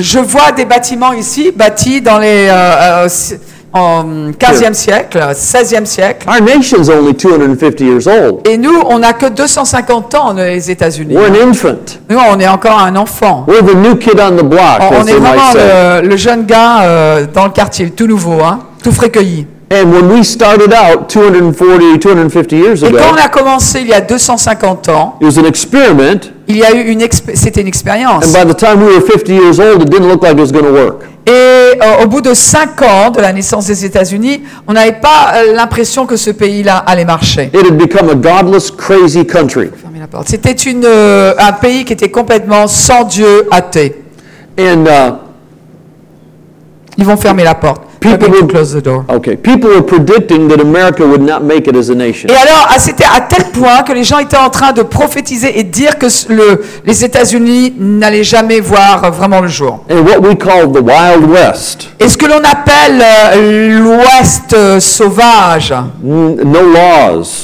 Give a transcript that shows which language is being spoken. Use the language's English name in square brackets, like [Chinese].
[French] Je vois des bâtiments ici bâtis dans les en 15e siècle, 16e siècle. [English] Our nation's only 250 years old. [French] Et nous, on n'a que 250 ans, les États-Unis. [English] We're an infant. [French] Nous, on est encore un enfant. [English] We're the new kid on the block, [French] on [English] as [French] est [English] they [French] vraiment [English] might say. [French] Le jeune gars dans le quartier, tout nouveau, hein, tout frais cueilli. [English] And when we started out 240-250 years ago. [French] Et quand on a commencé il y a 250 ans. [English] It was an experiment. [French] Il y a eu une c'était une expérience. [English] And by the time we were 50 years old, it didn't look like it was going to work. [French] Et au bout de 5 ans de la naissance des États-Unis, on n'avait pas l'impression que ce pays-là allait marcher. [English] It had become a godless, crazy country. [French] Fermez la porte. C'était un pays qui était complètement sans Dieu, athée. [English] And [French] ils vont fermer la porte. [English] People would close the door. Okay. People were predicting that America would not make it as a nation. [French] Et alors, c'était à tel point que les gens étaient en train de prophétiser et dire que les États-Unis n'allaient jamais voir vraiment le jour. [English] And what we call the Wild West. [French] Et ce que l'on appelle l'Ouest sauvage. [English] No laws.